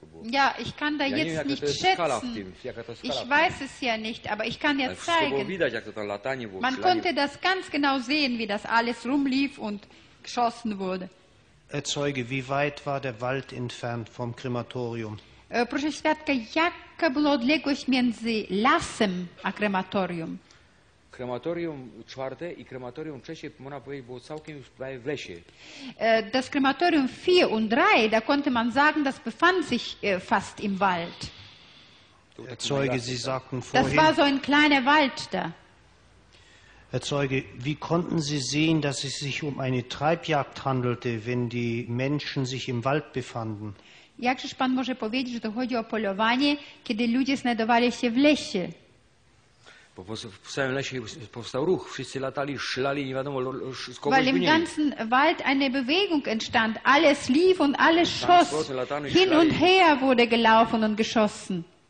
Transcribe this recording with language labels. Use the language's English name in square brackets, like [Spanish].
[German] Ja, ich kann da jetzt nicht schätzen. Ich weiß es ja nicht, aber ich kann ja zeigen. Man konnte das ganz genau sehen, wie das alles rumlief und geschossen wurde. Herr Zeuge, wie weit war der Wald entfernt vom Krematorium? [Polish] Proszę świadka, jaka była odległość między lasem a krematorium? Krematorium czwarte i krematorium trzecie, można powiedzieć, było całkiem już prawie w lesie. [German] Das Krematorium 4 und 3, da konnte man sagen, das befand sich fast im Wald. Herr Zeuge, Sie sagten vorhin... Das war so ein kleiner Wald da. Herr Zeuge, wie konnten Sie sehen, dass es sich um eine Treibjagd handelte, wenn die Menschen sich im Wald befanden? [Polish] Jakżeż pan może powiedzieć, że to chodzi o polowanie, kiedy ludzie znajdowali się w lesie? W całym lesie powstał ruch. Wszyscy latali, szlali, nie wiadomo, z kogoś [German] Weil im [Polish] wynieli. [German] Ganzen Wald eine Bewegung entstand. Alles lief und alles schoss. Hin und her wurde gelaufen und geschossen.